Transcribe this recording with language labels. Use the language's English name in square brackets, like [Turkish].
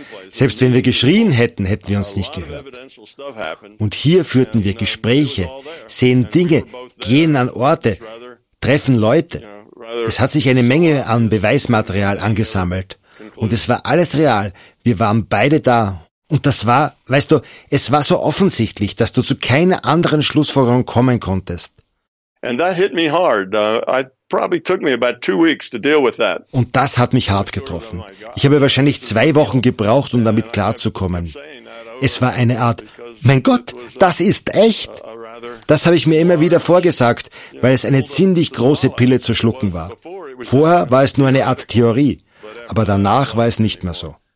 [German] Selbst wenn wir geschrien hätten, hätten wir uns nicht gehört. Und hier führten wir Gespräche, sehen Dinge, gehen an Orte, treffen Leute. Es hat sich eine Menge an Beweismaterial angesammelt. Und es war alles real. Wir waren beide da. Und das war, weißt du, es war so offensichtlich, dass du zu keiner anderen Schlussfolgerung kommen konntest. [English] And that hit me hard. Probably took me about 2 weeks to deal with that. [German] Und das hat mich hart getroffen. Ich habe wahrscheinlich 2 Wochen gebraucht, um damit klarzukommen. Es war eine Art, mein Gott, das ist echt. Das habe ich mir immer wieder vorgesagt, weil es eine ziemlich große Pille zu schlucken war. Vorher war es nur eine Art Theorie, aber danach war es nicht mehr so.